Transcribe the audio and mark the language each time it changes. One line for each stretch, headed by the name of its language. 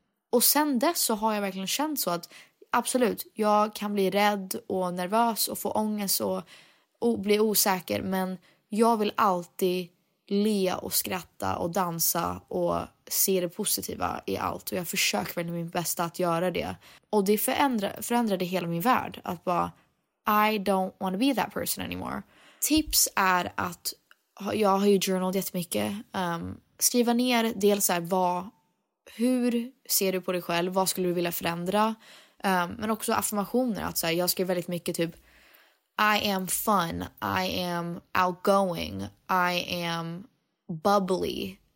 Swedish: Och sen dess så har jag verkligen känt så att absolut, jag kan bli rädd och nervös och få ångest och bli osäker. Men jag vill alltid le och skratta och dansa och se det positiva i allt. Och jag försöker väl min bästa att göra det. Och det förändrade hela min värld. Att bara,
English: I don't want to be that person anymore.
Swedish: Tips är att, jag har ju journaled jättemycket. Skriva ner dels så här, hur ser du på dig själv? Vad skulle du vilja förändra? Men också affirmationer. Att så här, jag skriver väldigt mycket typ,
English: I am fun, I am outgoing, I am bubbly.